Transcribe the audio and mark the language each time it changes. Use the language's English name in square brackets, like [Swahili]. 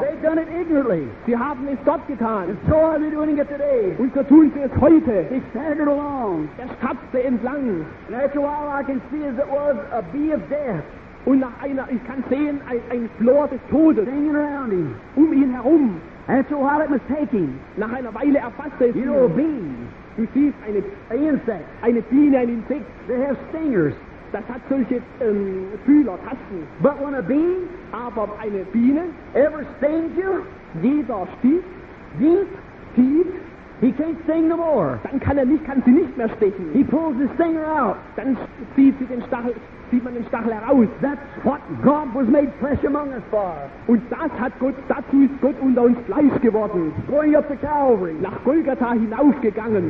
[English] They've done it ignorantly. [German] Sie haben es dort getan. [English] And so are they doing it today. [German] Und so tun sie es heute. [English] He staggered along. [German] Er stapfte entlang. [English] And after a while I can see as it was a bee of death. [German] Und nach einer, ich kann sehen, ein Flor des Todes [English] hanging around him. [German] Um ihn herum. [English] After a while it must take him. [German] Nach einer Weile erfasste es [English] you [German] ihn. [English] Know a bee. [German] Du siehst eine Insekt. Eine Biene, ein Insekt. [English] They have stingers. [German] Das hat solche Fühler, Tasten. [English] But when a bee, [German] aber eine Biene, [English] ever stings you, [German] jeder Stich, [English] deep, [German] tief, [English] he can't sting no more. [German] Dann kann sie nicht mehr stechen. [English] He pulls the stinger out. [German] Dann zieht sie den Stachel. Sieht man den Stachel heraus. [English] That's what God was made flesh among us for. [German] Und das hat Gott, dazu ist Gott unter uns Fleisch geworden. [English] Going up to Calvary. [German] Nach Golgatha hinaufgegangen.